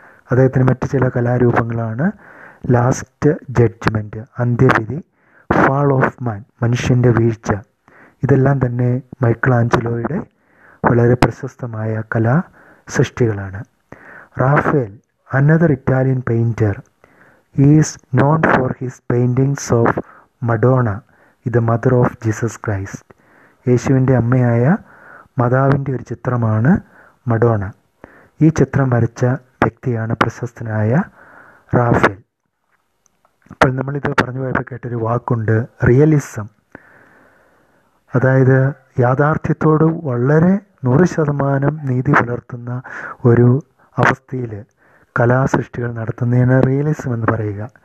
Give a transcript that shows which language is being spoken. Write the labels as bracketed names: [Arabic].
[Malayalam] അദ്ദേഹത്തിന് മറ്റ് ചില കലാരൂപങ്ങളാണ് ലാസ്റ്റ് ജഡ്ജ്മെൻറ്റ്, അന്ത്യവിധി, ഫാൾ ഓഫ് മാൻ, മനുഷ്യൻ്റെ വീഴ്ച. ഇതെല്ലാം തന്നെ മൈക്കിൾ ആഞ്ചലോയുടെ വളരെ പ്രശസ്തമായ കലാ സൃഷ്ടികളാണ്. Rafale, [English] Another Italian painter, He is known for his paintings of Madonna, the mother of Jesus Christ. [Malayalam] യേശുവിൻ്റെ അമ്മയായ മാതാവിൻ്റെ ഒരു ചിത്രമാണ് മഡോണ. ഈ ചിത്രം വരച്ച വ്യക്തിയാണ് പ്രശസ്തനായ റാഫേൽ. അപ്പോൾ നമ്മളിത് പറഞ്ഞു പോയപ്പോൾ കേട്ടൊരു വാക്കുണ്ട്, റിയലിസം. അതായത് യാഥാർത്ഥ്യത്തോട് വളരെ 100% നീതി പുലർത്തുന്ന ഒരു അവസ്ഥയിൽ കലാസൃഷ്ടികൾ നടത്തുന്നതിന് റിയലിസം എന്ന് പറയുക.